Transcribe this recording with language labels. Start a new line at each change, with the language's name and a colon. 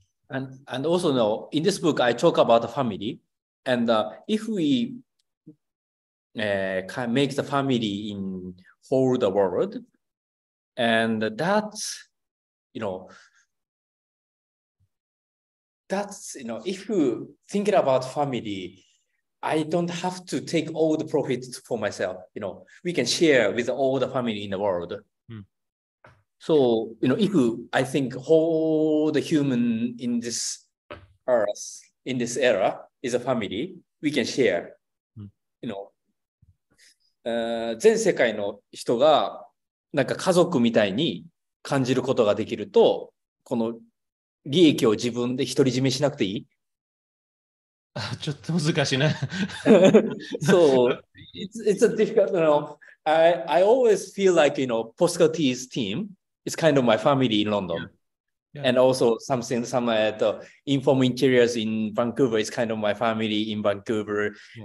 English: And also, you know, in this book, I talk about the family. And if we can make the family in whole the world, and that's, you know, that's, you know, if you think about family, I don't have to take all the profits for myself. You know, we can share with all the family in the world. So, you know, if I think whole the human in this earth, in this era, is a family, we can share. You know,
Japanese: 全世界の人がなんか家族みたいに感じることができると、この利益を自分で独り占めしなくていい。ちょっと難しいね。
English: So, it's a difficult, you know, I always feel like, you know, Postcard's team is kind of my family in London. Yeah. And also something, some at Inform Interiors in Vancouver is kind of my family in Vancouver. Yeah.